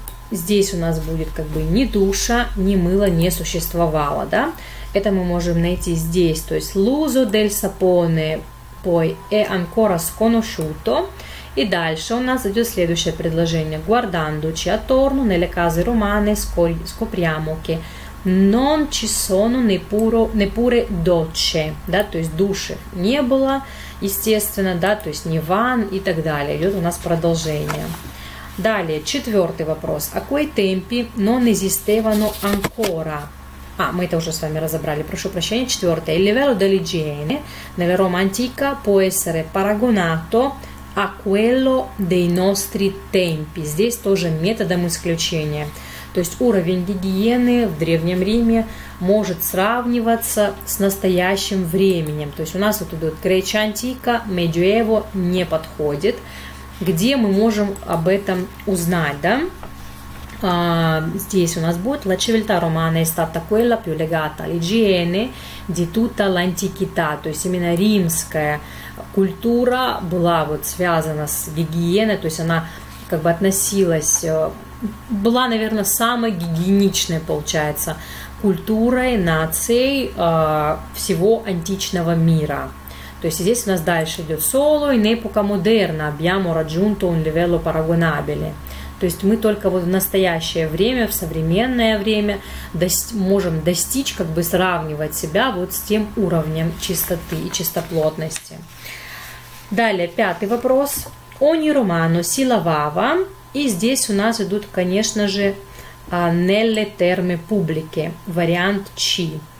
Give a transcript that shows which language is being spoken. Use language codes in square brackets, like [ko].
[ru] Здесь у нас будет как бы ни душа, ни мыло не существовало, да? Это мы можем найти здесь, то есть [it] l'uso del sapone poi è ancora sconosciuto. [ru] И дальше у нас идет следующее предложение. [it] Guardandoci attorno nelle case romane scopriamo che non ci sono neppure docce, [ru] да? То есть души не было, естественно, да, то есть не ван и так далее. Идет у нас продолжение. Далее, четвертый вопрос. [it] A quei tempi non esistevano ancora. [ru] А, мы это уже с вами разобрали, прошу прощения. Четвертое. [it] Il livello dell'igiene nella Roma antica può essere paragonato a quello dei nostri tempi. [ru] Здесь тоже методом исключения. То есть уровень гигиены в Древнем Риме может сравниваться с настоящим временем. То есть у нас вот идут Греча антика, Medioevo не подходит. Где мы можем об этом узнать, да? Здесь у нас будет [it] La civiltà romana è stata quella più legata all'igiene di tutta l'antichità. [ru] То есть именно римская культура была вот связана с гигиеной, то есть она как бы относилась, была, наверное, самой гигиеничной, получается, культурой, нацией всего античного мира. То есть здесь у нас дальше идет [it] solo in epoca moderna abbiamo raggiunto un livello paragonabile. [ru] То есть мы только вот в настоящее время, в современное время можем достичь, как бы сравнивать себя вот с тем уровнем чистоты и чистоплотности. Далее, пятый вопрос. [it] Ogni romano si lavava. [ru] И здесь у нас идут, конечно же, [it] nelle terme pubbliche, [ru] вариант C.